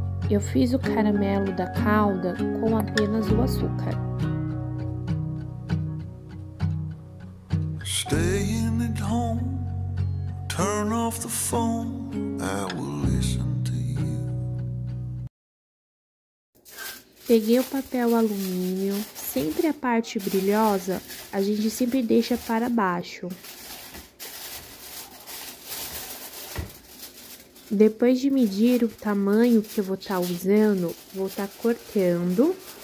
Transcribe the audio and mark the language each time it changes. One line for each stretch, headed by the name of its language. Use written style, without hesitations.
Portuguese: Eu fiz o caramelo da calda com apenas o açúcar.
English: Staying at home, turn off the phone. I will listen to you.
Portuguese: Peguei o papel alumínio, sempre a parte brilhosa, a gente sempre deixa para baixo. Depois de medir o tamanho que eu vou estar usando, vou estar cortando.